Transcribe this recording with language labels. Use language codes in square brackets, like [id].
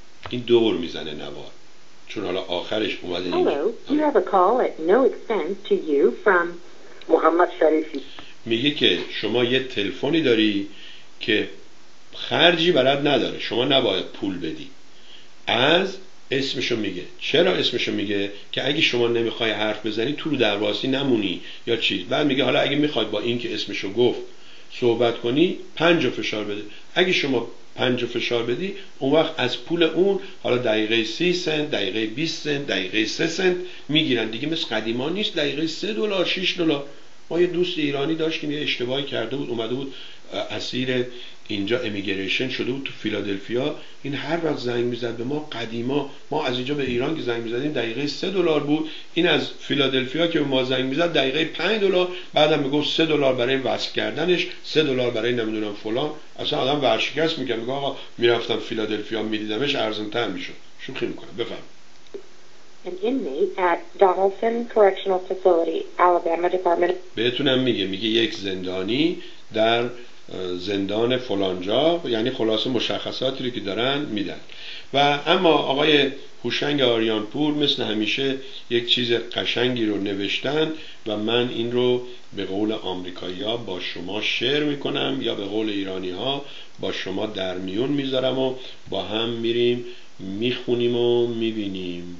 [fa] این دور میزنه نوار، چون حالا آخرش اومده. [en] Hello, you have a call at no expense to you from [fa] محمد شریفی. میگه که شما یه تلفنی داری که خرجی برات نداره، شما نباید پول بدی. از اسمشو میگه. چرا اسمشو میگه؟ که اگه شما نمیخوای حرف بزنی تو رو درواسی نمونی یا چی. بعد میگه حالا اگه میخوای با این که اسمشو گفت صحبت کنی 5 فشار بده. اگه شما 5 فشار بدی، اون وقت از پول اون حالا دقیقه 30 سنت، دقیقه 20 سنت، دقیقه 3 سنت میگیرن. دیگه مثل قدیما نیست دقیقه 3 دلار 6 دلار. ما یه دوست ایرانی داشتیم، یه اشتباهی کرده بود، اومده بود اسیر اینجا امیگریشن شده بود تو فیلادلفیا. این هر وقت زنگ میزد به ما، قدیما ما از اینجا به ایران که زنگ میزدیم دقیقه 3 دلار بود، این از فیلادلفیا که به ما زنگ میزد دقیقه 5 دلار. بعدم میگفت 3 دلار برای وصل کردنش، 3 دلار برای نمیدونم فلان. اصلا آدم ورشکست میگه، میگه آقا میرفتم فیلادلفیا میدیدمش ارزان‌تر میشد. شوخی میکنم. بفهم. [en] An inmate at Donaldson Correctional Facility, Alabama Department. [fa] بهتونم میگه، میگه یک زندانی در زندان فلانجا، یعنی خلاصه مشخصاتی رو که دارن میدن. و اما آقای هوشنگ آریانپور مثل همیشه یک چیز قشنگی رو نوشتن و من این رو به قول آمریکایی‌ها با شما شیر میکنم، یا به قول ایرانی‌ها با شما در میون میذارم و با هم میریم میخونیم و میبینیم.